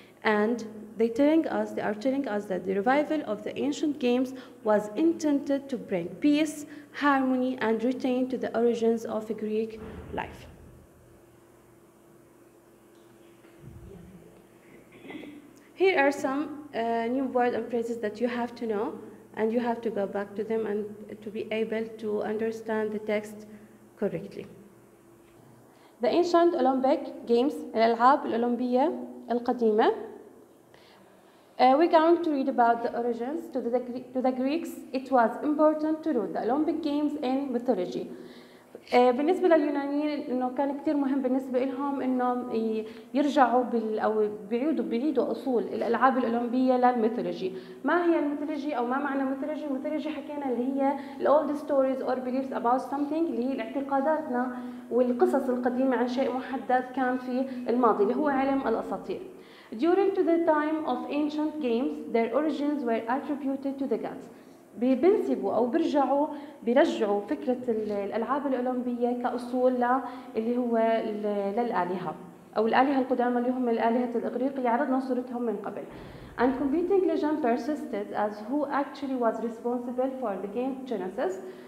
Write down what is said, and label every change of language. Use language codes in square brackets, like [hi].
[en] And they are telling us that the revival of the ancient games was intended to bring peace, harmony, and return to the origins of a Greek life. Here are some new words and phrases that you have to know, and you have to go back to them and to be able to understand the text correctly. The ancient Olympic Games, [ar] الألعاب الأولمبية القديمة. [en] We're going to read about the origins. To the Greeks, it was important to root the Olympic Games in mythology. [ar] بالنسبة لليونانيين إنه كان كتير مهم بالنسبة لهم إنهم يرجعوا أو بعيدوا أصول الألعاب الأولمبية للميثولوجي. ما هي الميثولوجي أو ما معنى ميثولوجي؟ ميثولوجي حكينا اللي هي [en] the old stories or beliefs about something، [ar] اللي هي الاعتقاداتنا والقصص القديمة عن شيء محدد كان في الماضي، اللي هو علم الأساطير. [en] During to the time of ancient games, their origins were attributed to the gods. [ar] بينسبوا أو بيرجعوا فكرة الألعاب الأولمبية كأصول اللي هو للآلهة أو الآلهة القدامى اللي هم الآلهة الإغريق اللي عرضنا صورتهم من قبل. [en] And competing legend persisted as who actually was responsible for the game Genesis.